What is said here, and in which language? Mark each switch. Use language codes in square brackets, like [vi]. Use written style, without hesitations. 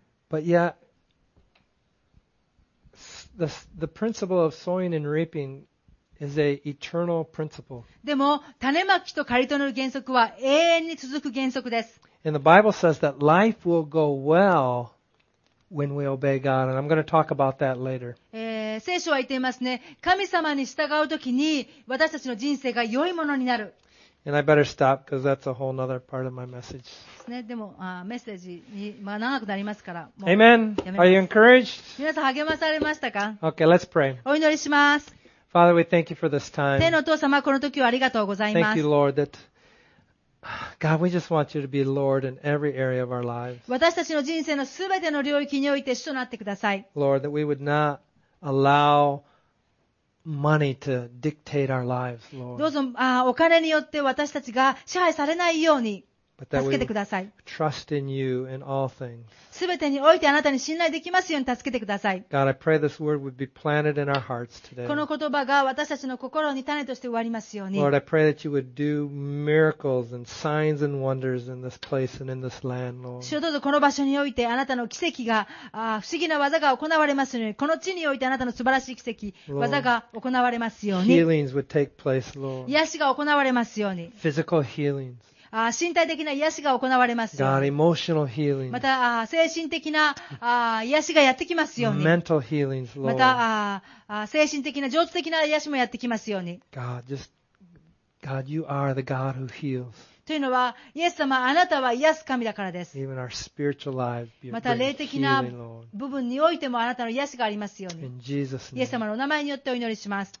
[en] But yeah. The principle of sowing and reaping is a eternal principle. [ja] でも種まきと刈り取る原則は永遠に続く原則です。 [en] And the Bible says that life will go well when we obey God, and I'm going to talk about that later. [ja] 聖書は言っていますね。神様に従うときに私たちの人生が良いものになる。 [en] And I better stop because that's a whole other part of my message. [ja] ですね。でもメッセージにまあ長くなりますから。 [en] Amen. Are you encouraged? [ja] 皆さん励まされましたか [en] ？Okay, let's pray. [ja] お祈りします。 [en] Father, we thank you for this time. [ja] 天のお父様、この時をありがとうございます。 [en] Thank you, Lord, that God, we just want you to be Lord in every area of our lives. [ja] 私たちの人生のすべての領域において主となってください。 [en] Lord, that we would not allow Money to dictate our lives, Lord. [ja] どうぞ、お金によって私たちが支配されないように。助けてください。 [en] Trust in you in all things. [ja] すべてにおいてあなたに信頼できますように助けてください。 [en] God, I pray this word would be planted in our hearts today. [ja] この言葉が私たちの心に種として植わりますように。 [en] Lord, I pray that you would do miracles and signs and wonders in this place and in this land, Lord. [ja] 主よ、どうぞこの場所においてあなたの奇跡が、不思議な技が行われますように、この地においてあなたの素晴らしい奇跡、 [en] Lord, [ja] 技が行われますように。 [en] Healings would take place, Lord. [ja] 癒しが行われますように。 [en] Physical healings. [ja] 身体的な癒しが行われますように。 [en] God, emotional healing. [ja] また、精神的な、癒しがやってきますように。 [en] Mental healings, Lord. [ja] また、精神的な、情緒的な癒しもやってきますように。 [en] God, just, God, you are the God who heals. [ja] というのは、イエス様、あなたは癒す神だからです。 [en] Even our spiritual life, you bring [ja] また、霊的な部分においても、あなたの癒しがありますように。 [en] In Jesus' name. [ja] イエス様のお名前によってお祈りします。